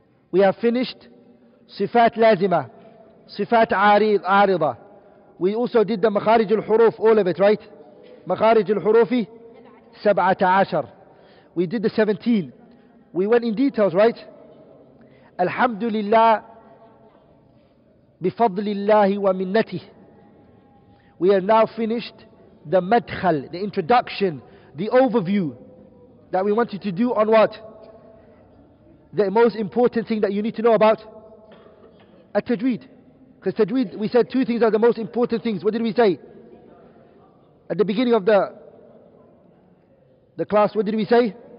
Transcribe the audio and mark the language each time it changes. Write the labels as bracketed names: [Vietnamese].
[English] We have finished صفات لازمة, صفات عارضة. We also did the مخارج الحروف, all of it, right? مخارج الحروف 17. We did the 17. We went in details, right? [Arabic] الحمد لله بفضل الله ومنته. [English] We have now finished the مدخل, the introduction, the overview that we wanted to do on what? The most important thing that you need to know about? At-tajweed. Because tajweed, we said two things are the most important things. What did we say? At the beginning of the class, what did we say?